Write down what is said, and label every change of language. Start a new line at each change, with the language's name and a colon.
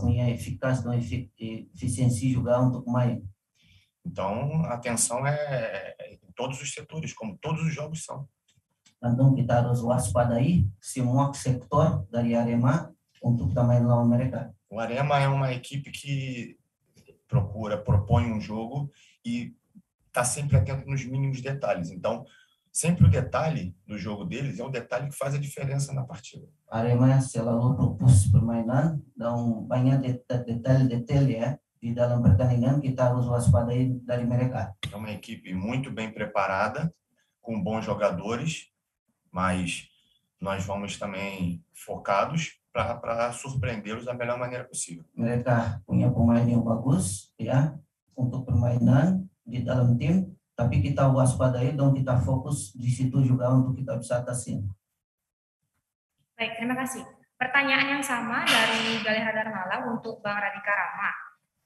Indonesian: punya efikas dan efisiensi juga untuk main.
Portuguese: Então, a atenção é em todos os setores, como todos os jogos são. Então
Indonesian: kita harus waspadai semua sektor dari Arema untuk kita main lawan mereka.
Portuguese: O Arema é uma equipe que propõe um jogo e está sempre atento nos mínimos detalhes. Então, sempre o detalhe do jogo deles é o detalhe que faz a diferença na partida.
Indonesian: Arema selalu fokus permainan dan banyak detail-detail ya di dalam pertandingan kita harus waspadai dari mereka.
Portuguese: É uma equipe muito bem preparada, com bons jogadores, mas nós vamos também focados para surpreendê-los da melhor maneira possível.
Indonesian: Mereka punya pemain yang bagus ya untuk permainan di dalam tim, tapi kita waspadai dan kita fokus di situ juga untuk kita bisa atasin. Baik, terima kasih. Pertanyaan yang sama dari Galih Radar Malang untuk Bang Radika Rama.